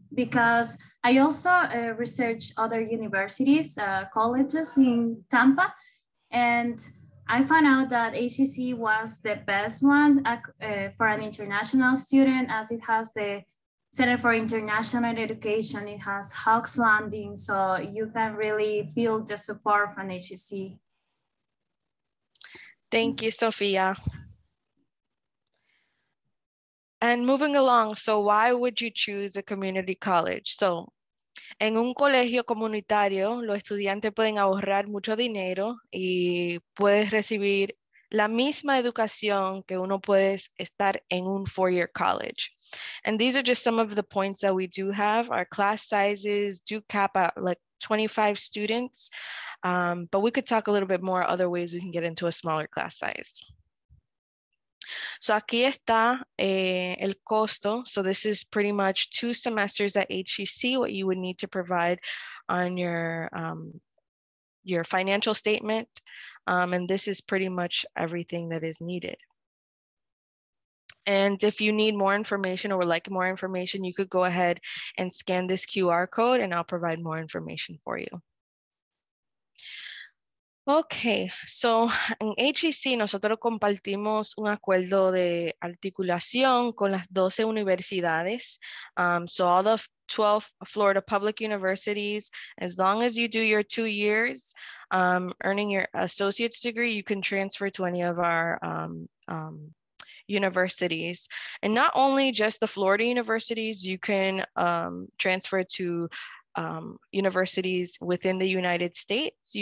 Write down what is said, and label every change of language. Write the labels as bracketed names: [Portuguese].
[English] Because I also research other universities, colleges in Tampa, and I found out that HCC was the best one for an international student, as it has the Center for International Education. It has Hawks Landing, so you can really feel the support from HCC. Thank you, Sophia. And moving along, so why would you choose a community college? [Spanish] So en un colegio comunitario, los estudiantes pueden ahorrar mucho dinero y puedes recibir la misma educación que uno puede estar en un [English] four-year college. And these are just some of the points that we do have. Our class sizes do cap at like 25 students, but we could talk a little bit more other ways we can get into a smaller class size. So [Spanish] aquí está el costo. [English] So this is pretty much two semesters at HCC, what you would need to provide on your financial statement. And this is pretty much everything that is needed. And if you need more information or would like more information, you could go ahead and scan this QR code and I'll provide more information for you. Okay, [Spanish] so en HCC nosotros compartimos un acuerdo de articulación con las 12 universidades. [English] So all the 12 Florida public universities, as long as you do your 2 years earning your associate's degree, you can transfer to any of our universities. And not only just the Florida universities, you can transfer to universities within the United States.